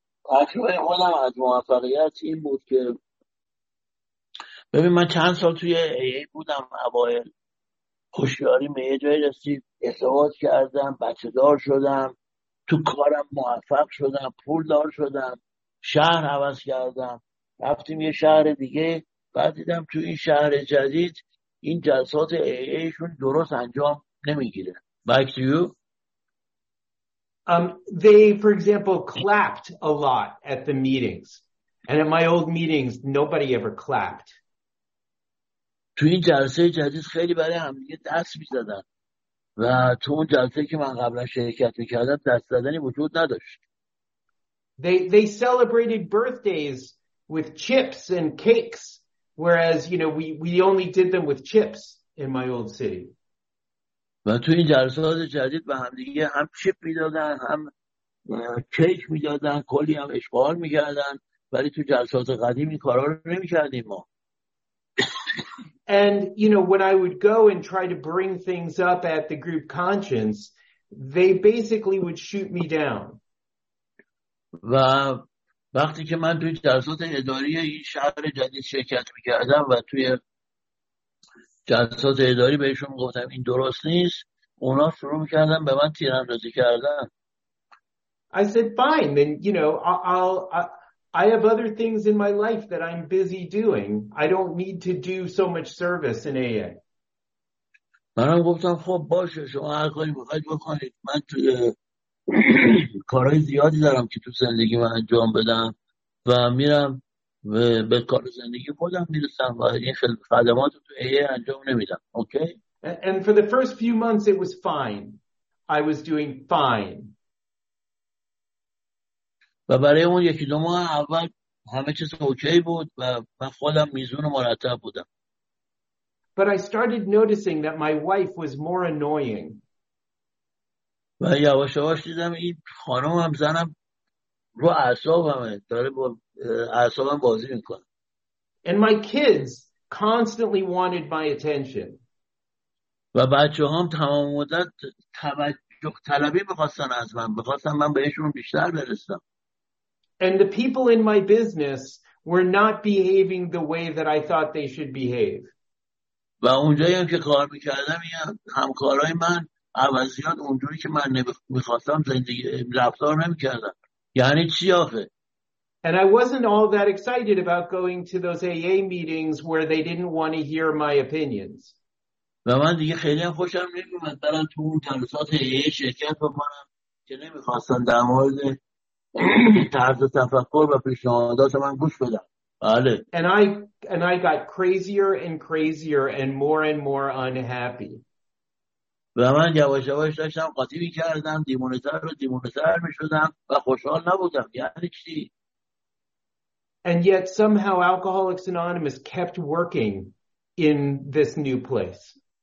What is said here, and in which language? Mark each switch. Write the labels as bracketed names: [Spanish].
[Persian] تجربه خودم از موفقیت این بود که ببین من چند سال توی AA بودم، اوائل خوشیاری به یه جایی رسید، ازدواج کردم، بچه دار شدم، تو کارم موفق شدم، پول دار شدم، شهر عوض کردم، رفتیم یه شهر دیگه، بعد دیدم تو این شهر جدید این جلسات AAشون درست انجام نمیگیره. [English] Back to you. They, for example, clapped a lot at the meetings. And at my old meetings, nobody ever clapped. [Persian] تو این جلسه جدید خیلی برای همدیگه دست می‌زدن و تو اون جلسه که من قبلا شرکت می‌کردم دست زدنی وجود نداشت. [English] They celebrated birthdays with chips and cakes Whereas, you know, we only did them with chips in my old city. [Persian] و تو این جلسات جدید به هم دیگه هم چیپ میدادن هم کیک میدادن کلی هم اشغال میکردن ولی تو جلسات قدیم این کارا رو نمیکردیم ما. [English] And you know, when I would go and try to bring things up at the group conscience, they basically would shoot me down. [Persian] و وقتی که من توی جلسات اداری این شهر جدید شرکت میکردم و توی جلسات اداری بهشون گفتم این درست نیست اونا شروع میکردن به من تیراندازی کردن. [English] I said fine, then you know, I have other things in my life that I'm busy doing. I don't need to do so much service in AA. [Persian] منم گفتم خب باشه شما هر کاری بخواید بکنید من توی کارهای زیادی دارم که تو زندگی من انجام بدم و میرم به کار زندگی خودم میرسم و این خدمات رو تو ایه انجام نمیدم. اوکی؟ [English] And for the first few months it was fine. I was doing fine. [Persian] و برای اون یکی دو ماه اول همه چیز اوکی بود و من خودم میزون مرتب بودم. [English] But I started noticing that my wife was more annoying. [Persian] و یواش یواش دیدم این خانومم زنم رو اعصابمه داره با اعصابم بازی میکنه. [English] And my kids constantly wanted my attention. [Persian] و بچه‌هام تمام مدت توجه طلبی می‌خواستن از من، می‌خواستن من بهشون بیشتر برسم. [English] And the people in my business were not behaving the way that I thought they should behave. [Persian] و اونجایی هم که کار می‌کردم همکارای من عوضیات اونجوری که من نمی‌خواستم زندگی رفتار نمی‌کردن. یعنی چی آخه؟ [English] And I wasn't all that excited about going to those AA meetings where they didn't want to hear my opinions. [Persian] و من دیگه خیلی هم خوشم نمی‌اومد برام تو اون جلسات AA شرکت بکنم که نمی‌خواستن در مورد طرز تفکر و پیشنهادات من گوش بدن. بله. [English] And I got crazier and crazier and more unhappy. [Persian] و من یواش یواش داشتم قاطی می‌کردم، دیمونه‌تر و دیمونه‌تر می‌شدم و خوشحال نبودم. یعنی چی؟ [English] And yet somehow Alcoholics Anonymous kept working in this new place.